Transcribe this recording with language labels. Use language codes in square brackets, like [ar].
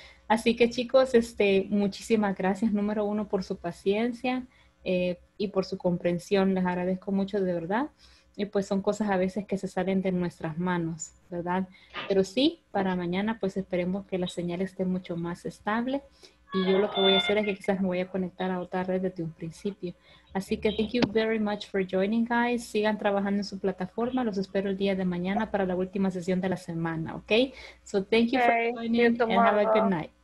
[es] Así que chicos, muchísimas gracias, número uno, por su paciencia y por su comprensión. Les agradezco mucho, de verdad. Y pues son cosas a veces que se salen de nuestras manos, ¿verdad? Pero sí, para mañana pues esperemos que la señal esté mucho más estable. Y yo lo que voy a hacer es que quizás me voy a conectar a otra red desde un principio. Así que [en] thank you very much for joining, guys. [es] Sigan trabajando en su plataforma. Los espero el día de mañana para la última sesión de la semana, ¿ok? [en] So thank you for joining you and have a good night.